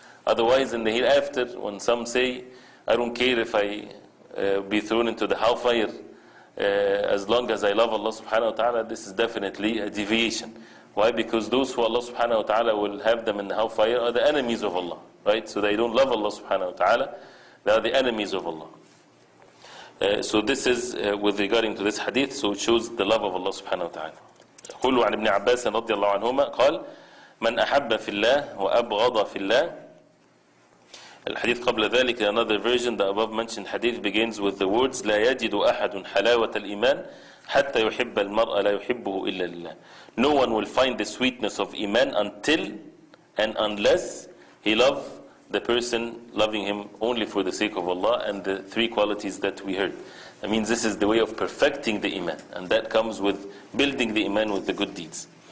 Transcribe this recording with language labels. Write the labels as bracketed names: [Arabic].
[English] Otherwise, in the hereafter, when some say, I don't care if I be thrown into the hellfire, as long as I love Allah subhanahu wa ta'ala, this is definitely a deviation. Why? Because those who Allah subhanahu wa ta'ala will have them in the hellfire are the enemies of Allah, right? So they don't love Allah subhanahu wa ta'ala, they are the enemies of Allah. So this is with regarding to this hadith, so it shows the love of Allah subhanahu wa ta'ala. [Arabic] قلوا عن ابن عباس رضي الله عنهما قال من أحب في الله وأبغض في الله. الحديث قبل ذلك, [English] another version, the above mentioned hadith begins with the words, [Arabic] لا يجد أحد حلاوة الإيمان حتى يحب المرء لا يحبه إلا لله. [English] No one will find the sweetness of iman until and unless he loves the person, loving him only for the sake of Allah and the three qualities that we heard. That means this is the way of perfecting the iman, and that comes with building the iman with the good deeds.